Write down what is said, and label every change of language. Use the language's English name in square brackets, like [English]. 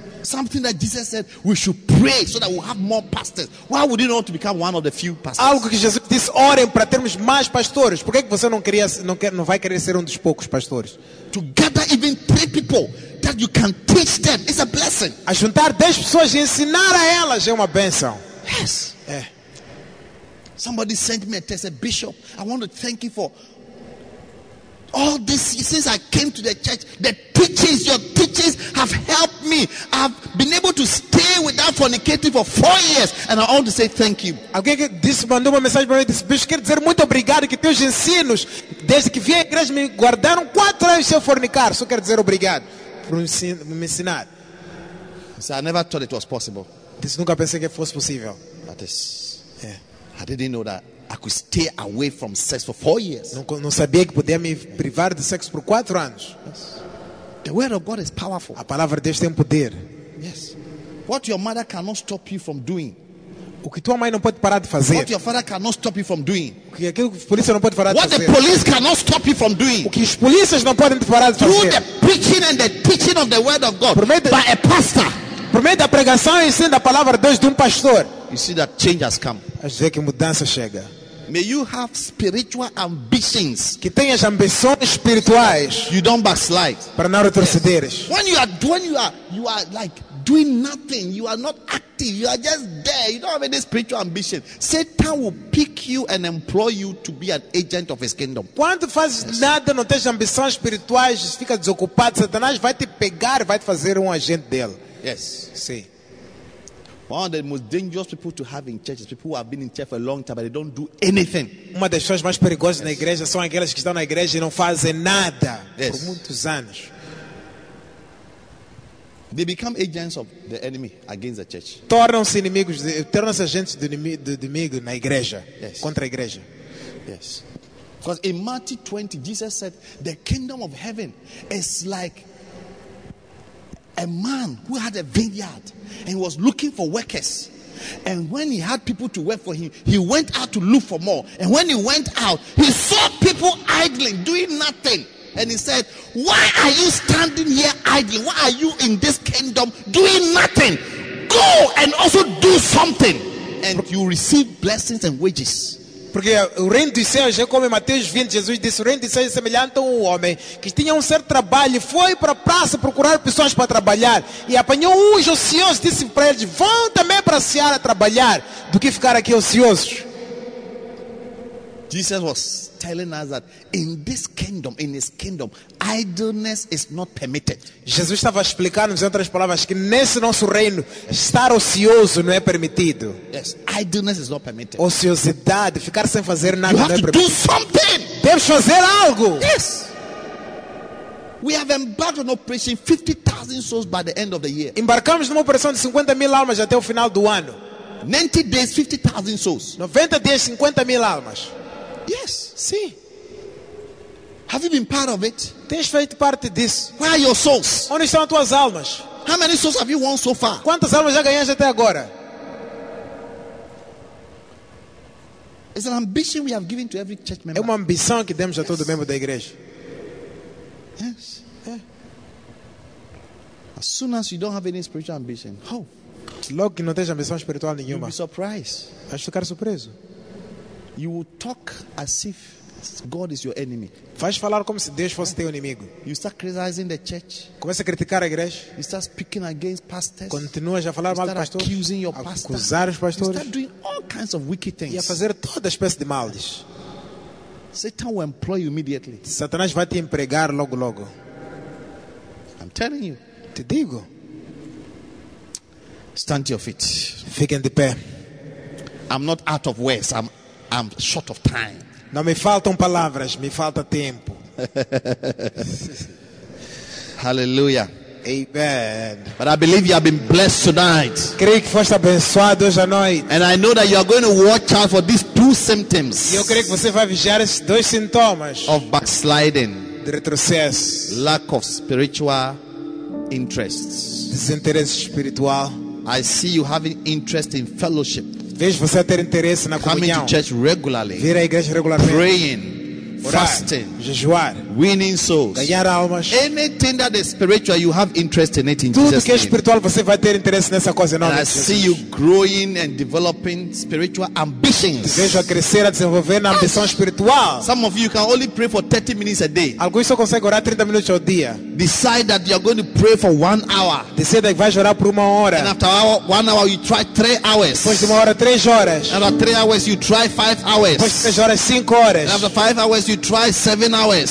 [English] Something that Jesus said, we should pray so that we have more pastors. Why would you not want to become one of the few pastors? [Portuguese] Algo que Jesus disse, orem para termos mais pastores. Por que é que você não vai querer ser dos poucos pastores? [English] To gather even 3 people that you can teach them is a blessing. [Portuguese] A juntar 10 pessoas e ensinar a elas é uma bênção. [English] Yes. [Portuguese] É. [English] Somebody sent me a text, said, Bishop, I want to thank you for all this, since I came to the church, the teachings, your teachings have helped me. I've been able to stay without fornicating for 4 years, and I want to say thank you. [Portuguese] Alguém disse, mandou uma mensagem para mim, disse, bicho, quero dizer muito obrigado que teus ensinos, desde que vim à igreja, me guardaram 4 anos sem fornicar. Só quero dizer obrigado por me ensinar. [English] So I never thought it was possible. [Portuguese] Disse, nunca pensei que fosse possível. [English] But this, yeah. I didn't know that I could stay away from sex for 4 years. [Portuguese] Não sabia que podia me privar de sexo por 4 anos. [English] Yes. The word of God is powerful. [Portuguese] A palavra de Deus tem poder. [English] Yes. What your mother cannot stop you from doing. [Portuguese] O que tua mãe não pode parar de fazer. [English] What your father cannot stop you from doing. [Portuguese] O que aquilo que a polícia não pode parar de [English] what What the police cannot stop you from doing. [Portuguese] O que os polícias não podem parar de [English] through [Portuguese] fazer. [English] Through the preaching and the teaching of the word of God. By a pastor. [Portuguese] Por meio da pregação e ensino da palavra de Deus de pastor. [English] You see that change has come. [Portuguese] Acho que mudança chega. [English] May you have spiritual ambitions. [Portuguese] Que tenhas ambições espirituais. [English] You don't backslide. [Portuguese] Para não retrocederes. [English] When you are doing, you are like doing nothing. You are not active. You are just there. You don't have any spiritual ambition. Satan will pick you and employ you to be an agent of his kingdom. [Portuguese] Quando fazes nada, não tens ambições espirituais, fica desocupado, Satanás vai te pegar e vai te fazer agente dele. [English] Yes. [Portuguese] Sim. [English] One of the most dangerous people to have in church is people who have been in church for a long time but they don't do anything. [Portuguese] Uma das pessoas mais perigosas, [English] yes, [Portuguese] na igreja são aquelas que estão na igreja e não fazem nada, yes, por muitos anos. [English] They become agents of the enemy against the church. [Portuguese] Tornam-se inimigos, tornam-se agentes do inimigo na igreja, [English] yes, [Portuguese] contra a igreja. [English] Yes. Because in Matthew 20, Jesus said, "The kingdom of heaven is like a man who had a vineyard and was looking for workers. And when he had people to work for him, he went out to look for more. And when he went out, he saw people idling, doing nothing. And he said, why are you standing here idling? Why are you in this kingdom doing nothing? Go and also do something. And you receive blessings and wages." [Portuguese] porque o reino dos céus é como em Mateus 20, Jesus disse, o reino dos céus é semelhante a um homem que tinha um certo trabalho e foi para a praça procurar pessoas para trabalhar e apanhou uns ociosos e disse para eles, vão também para a Seara trabalhar do que ficar aqui ociosos. [English] Jesus was telling us that in this kingdom, in his kingdom, idleness is not permitted. [Portuguese] Jesus estava explicando, em outras palavras, que nesse nosso reino, estar ocioso não é permitido. [English] Yes, idleness is not permitted. [Portuguese] Ociosidade, ficar sem fazer nada, [English] you have [Portuguese] não é [English] to [Portuguese] permitido. [English] Do something. [Portuguese] Deves fazer algo. [English] Yes. We have embarked on operation 50,000 souls by the end of the year. [Portuguese] Embarcamos numa operação de 50 mil almas até o final do ano. [English] 90 days, 50,000 souls. [Portuguese] 90 dias, 50 mil almas. [English] Yes. See. Have you been part of it? [Portuguese] Tens feito parte disso? [English] Where are your souls? [Portuguese] Onde estão as tuas almas? [English] How many souls have you won so far? [Portuguese] Quantas almas já ganhaste até agora? [English] It's an ambition we have given to every church member. [Portuguese] É uma ambição que demos a todo membro da igreja. [English] Yes. As soon as you don't have any spiritual ambition, how? [Portuguese] Logo que não tens ambição espiritual nenhuma. [English] You'll be surprised. [Portuguese] Vais ficar surpreso. [English] You will talk as if God is your enemy. [Portuguese] Vais falar como se Deus fosse teu inimigo. [English] You start criticizing the church. [Portuguese] Começa a criticar a igreja. [English] You start speaking against pastors. [Portuguese] Continuas a falar mal dos pastores. [English] You start accusing your pastor. [Portuguese] Acusar os pastores. [English] You start doing all kinds of wicked things. [Portuguese] E a fazer toda espécie de males. [English] Satan will employ you immediately. [Portuguese] Satanás vai te empregar logo logo. [English] I'm telling you. [Portuguese] Te digo. [English] Stand to your feet. [Portuguese] Fiquem de pé. [English] I'm not out of words. I'm short of time. [Portuguese] Não me faltam palavras, me falta tempo. [English] Hallelujah. Amen. But I believe you have been blessed tonight. [Portuguese] Creio que foste abençoado hoje à noite. [English] And I know that you are going to watch out for these two symptoms. [Portuguese] E eu creio que você vai vigiar esses dois sintomas. [English] Of backsliding. [Portuguese] De retrocesso. [English] Lack of spiritual interests. [Portuguese] Desinteresse espiritual. [English] I see you having interest in fellowship. [Portuguese] Vejo você ter interesse na [English] coming [Portuguese] comunhão. [English] To church regularly. [Portuguese] Vir à igreja regularmente. [English] Praying. [Portuguese] Orar, [English] fasting. [Portuguese] Jejuar. [English] Winning souls. [Portuguese] Ganhar almas. [English] Anything that is spiritual, you have interest in it in [Portuguese] tudo [English] Jesus [Portuguese] que é espiritual, você vai ter interesse nessa coisa. [English] And I see you growing and developing spiritual ambitions. [Portuguese] Vejo a crescer, a desenvolver na ambição espiritual. [English] Some of you can only pray for 30 minutes a day. [Portuguese] Alguns só conseguem orar 30 minutes ao dia. [English] Decide that you are going to pray for 1 hour. [Portuguese] Decida que vai orar por uma hora. [English] And after hour, 1 hour, you try 3 hours. [Portuguese] Depois de uma hora, 3 horas. [English] And after 3 hours, you try 5 hours. [Portuguese] Depois de 3 horas, 5 horas. [English] And after 5 hours, you try 7 hours.